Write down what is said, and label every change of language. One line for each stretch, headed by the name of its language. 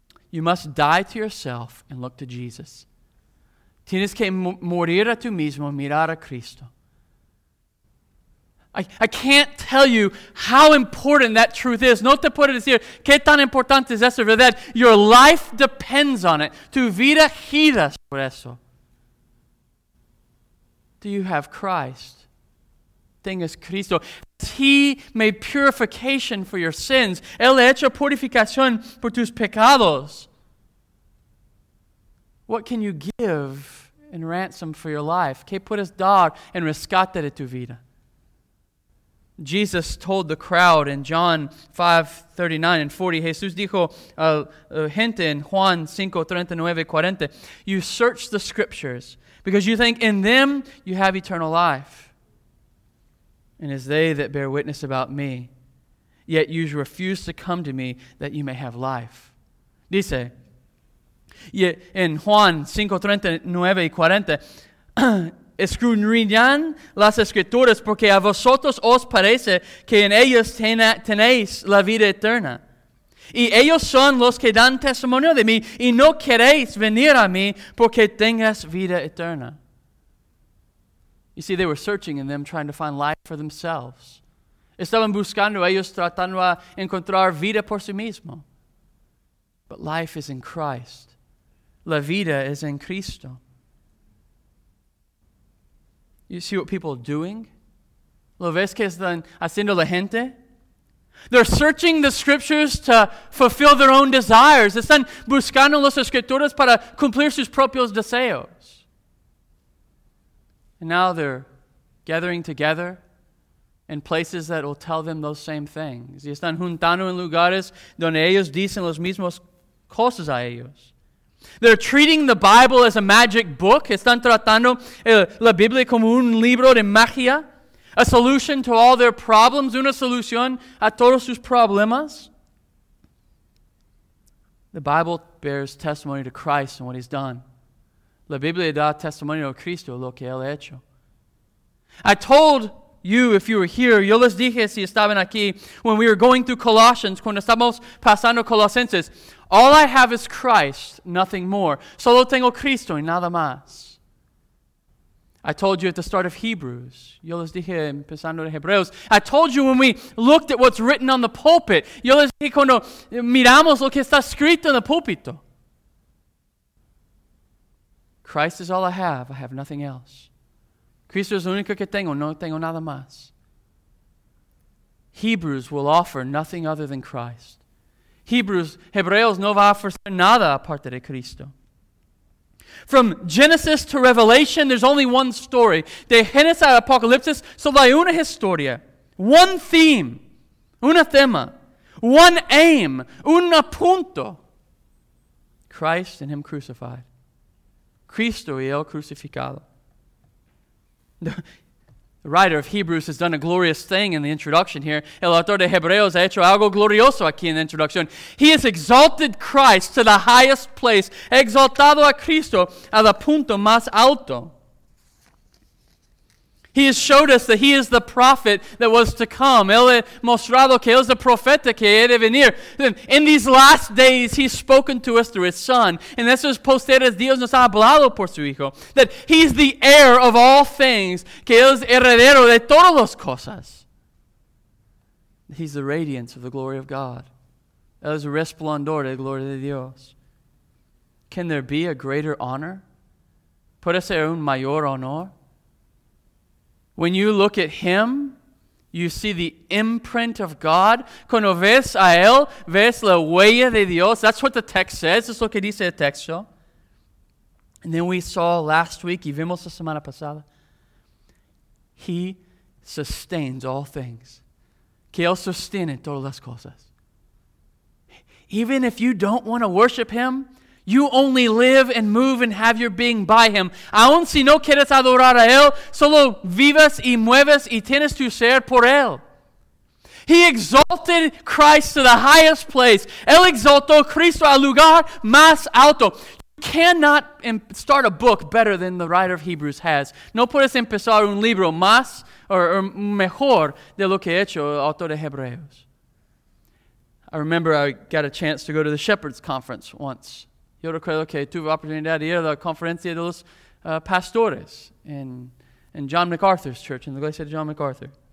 English: You must die to yourself and look to Jesus.
Spanish: Tienes que morir a tu mismo, mirar a Cristo.
English: I can't tell you how important that truth is.
Spanish: No te puedo decir qué tan importante es esa verdad.
English: Your life depends on it.
Spanish: Tu vida gira por eso.
English: Do you have Christ?
Spanish: Tengas Cristo.
English: He made purification for your sins.
Spanish: Él ha hecho purificación por tus pecados.
English: What can you give in ransom for your life?
Spanish: ¿Qué puedes dar en rescate de tu vida?
English: Jesus told the crowd in John 5:39 and 40,
Spanish: Jesús dijo a gente en Juan 5:39-40,
English: you search the scriptures because you think in them you have eternal life. And it's they that bear witness about me, yet you refuse to come to me that you may have life.
Spanish: Dice, en Juan 5:39-40, escudriñan las escrituras porque a vosotros os parece que en ellos tenéis la vida eterna. Y ellos son los que dan testimonio de mí y no queréis venir a mí porque tengas vida eterna.
English: You see, they were searching in them trying to find life for themselves.
Spanish: Estaban buscando ellos tratando de encontrar vida por sí mismo.
English: But life is in Christ.
Spanish: La vida es en Cristo.
English: You see what people are doing?
Spanish: ¿Lo ves que están haciendo la gente?
English: They're searching the scriptures to fulfill their own desires.
Spanish: Están buscando las escrituras para cumplir sus propios deseos.
English: And now they're gathering together in places that will tell them those same things.
Spanish: Y están juntando en lugares donde ellos dicen los mismos cosas a ellos.
English: They're treating the Bible as a magic book.
Spanish: Están tratando la Biblia como un libro de magia.
English: A solution to all their problems.
Spanish: Una solución a todos sus problemas.
English: The Bible bears testimony to Christ and what he's done.
Spanish: La Biblia da testimonio a Cristo, lo que él ha hecho.
English: I told you, if you were here,
Spanish: yo les dije si estaban aquí,
English: when we were going through Colossians,
Spanish: cuando estamos pasando Colosenses,
English: all I have is Christ, nothing more.
Spanish: Solo tengo Cristo y nada más.
English: I told you at the start of Hebrews.
Spanish: Yo les dije empezando de Hebreos.
English: I told you when we looked at what's written on the pulpit.
Spanish: Yo les dije cuando miramos lo que está escrito en el púlpito.
English: Christ is all I have nothing else.
Spanish: Cristo es lo único que tengo, no tengo nada más.
English: Hebrews will offer nothing other than Christ.
Spanish: Hebreos no va a ofrecer nada aparte de Cristo.
English: From Genesis to Revelation, there's only one story.
Spanish: De Génesis a Apocalipsis, solo hay una historia.
English: One theme.
Spanish: Una tema.
English: One aim.
Spanish: Un apunto.
English: Christ and Him crucified.
Spanish: Cristo y Él crucificado.
English: The writer of Hebrews has done a glorious thing in the introduction here.
Spanish: El autor de Hebreos ha hecho algo glorioso aquí en la introducción.
English: He has exalted Christ to the highest place,
Spanish: exaltado a Cristo al punto más alto.
English: He has showed us that He is the prophet that was to come.
Spanish: Él ha mostrado que Él es el profeta que ha de venir.
English: In these last days, He's spoken to us through His Son.
Spanish: En estos posteriores días, nos ha hablado por su Hijo.
English: That He's the heir of all things.
Spanish: Que Él es heredero de todas las cosas.
English: He's the radiance of the glory of God.
Spanish: Él es el resplandor de la gloria de Dios.
English: Can there be a greater honor?
Spanish: ¿Puede ser un mayor honor?
English: When you look at Him, you see the imprint of God.
Spanish: Cuando ves a Él, ves la huella de Dios.
English: That's what the text says.
Spanish: Es lo que dice el texto.
English: And then we saw last week,
Spanish: y vimos la semana pasada,
English: He sustains all things.
Spanish: Que Él sostiene todas las cosas.
English: Even if you don't want to worship Him, you only live and move and have your being by Him.
Spanish: Aun si no quieres adorar a Él, solo vivas y mueves y tienes tu ser por Él.
English: He exalted Christ to the highest place.
Spanish: Él exaltó Cristo al lugar más alto.
English: You cannot start a book better than the writer of Hebrews has.
Spanish: No puedes empezar un libro más or mejor de lo que ha hecho el autor de Hebreos.
English: I remember I got a chance to go to the Shepherd's Conference once.
Spanish: Yo recuerdo que tuve la oportunidad de ir a la conferencia de los pastores
English: in John MacArthur's church,
Spanish: in the iglesia de John MacArthur.